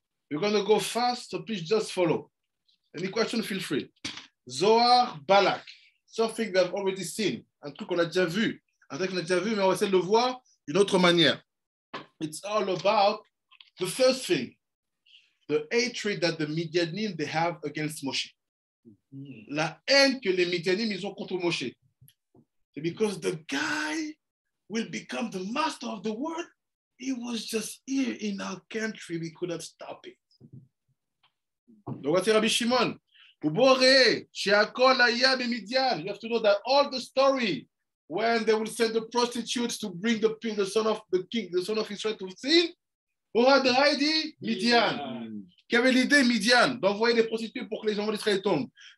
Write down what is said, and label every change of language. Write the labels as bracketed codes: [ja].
[en] We're going to go fast, so please just follow. Any question, feel free. [fr] Zohar Balak, [en] something we have already seen, [fr] un truc qu'on a déjà vu, un truc qu'on a déjà vu, mais on va essayer de le voir d'une autre manière. [en] It's all about the first thing, the hatred that the Midianim, they have against Moshe. [fr] La haine que les Midianim, ils ont contre Moshe. [en] Because the guy will become the master of the world. He was just here in our country. We could have stopped it. [fr] Donc, c'est Rabbi Shimon. [en] You have to know that all the story when they will send the prostitutes to bring the king, the son of the king, the son of Israel to sin. Who had the idea? Midian. [fr] Qui avait l'idée, Midian, d'envoyer des prostituées pour que les enfants d'Israël tombent.